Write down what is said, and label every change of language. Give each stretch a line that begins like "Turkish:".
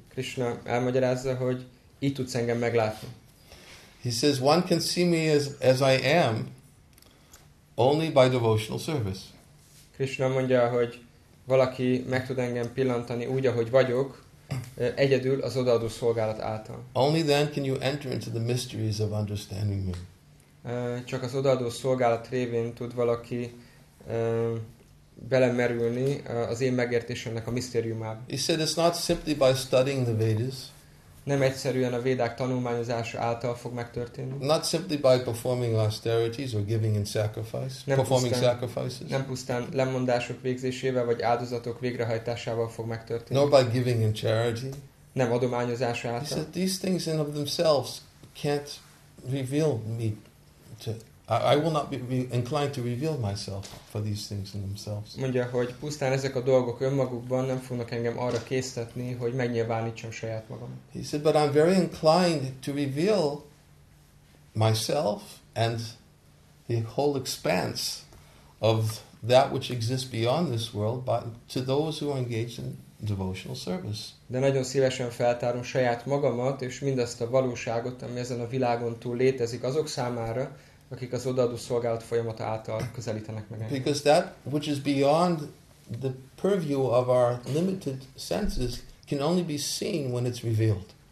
Hungarian: Krishna elmagyarázza, hogy így tudsz engem meglátni.
English: He says, one can see me as I am only by devotional service.
Hungarian: Krishna mondja, hogy valaki meg tud engem pillantani úgy, ahogy vagyok, egyedül az odaadó szolgálat által.
English: Only then can you enter into the mysteries of understanding me.
Hungarian: Csak az odaadó szolgálat révén tud valaki belemerülni az én megértésemnek a misztériumába.
English: He said it's not simply by studying the Vedas.
Hungarian: Nem egyszerűen a védák tanulmányozása által fog megtörténni.
English: Not simply by performing austerities or giving in sacrifice, sacrifices.
Hungarian: Nem pusztán lemondások végzésével vagy áldozatok végrehajtásával fog megtörténni.
English: Nor by giving in charity.
Hungarian: Nem adományozása által.
English: He said, these things in of themselves can't reveal me to. I will not be inclined to reveal myself for these things in themselves.
Hungarian: Mondja, hogy pusztán ezek a dolgok önmagukban nem fognak engem arra késztetni, hogy megnyilvánítsam saját magam.
English: He said, but I'm very inclined to reveal myself and the whole expanse of that which exists beyond this world by, to those who are engaged in devotional service.
Hungarian: De nagyon szívesen feltárom saját magamat és mindazt a valóságot, ami ezen a világon túl létezik azok számára, akik az odaadó szolgálat folyamata által közelítenek meg engem.
English: Because that which is beyond the purview of our limited senses can only be seen when it's revealed.